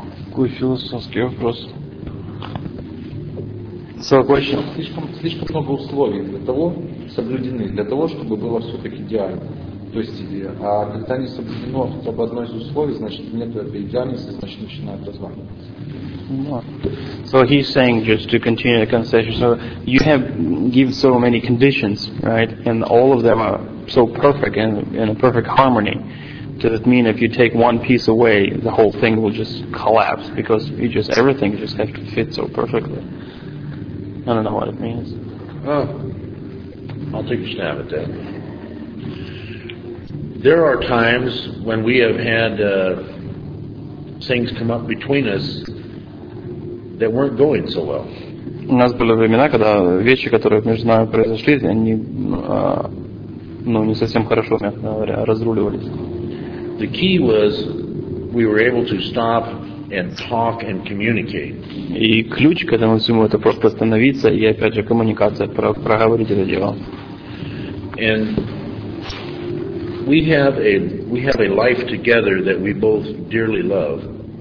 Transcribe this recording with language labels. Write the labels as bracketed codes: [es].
[ru] Какой философский вопрос. Согласен. Слишком много условий для того, соблюдены, для того, чтобы было все-таки идеально. То есть, а когда не соблюдено хотя бы одно из условий, значит нет этой идеальности, значит начинает разваливаться. [en] So he's saying, just to continue the conversation, so you have given so many conditions, right, and all of them are so perfect and in a perfect harmony. Does it mean if you take one piece away, the whole thing will just collapse because you just everything just has to fit so perfectly? I don't know what it means. I'll take a stab at that. There are times when we have had things come up between us that weren't going so well. [ru] У нас были времена, когда вещи, которые между нами произошли, они не совсем хорошо, мягко говоря, разруливались. [en] The key was we were able to stop and talk and communicate. [ru] И ключ к этому всему это просто остановиться и опять же коммуникация, проговорить это дело. [en] And we have a life together that we both dearly love.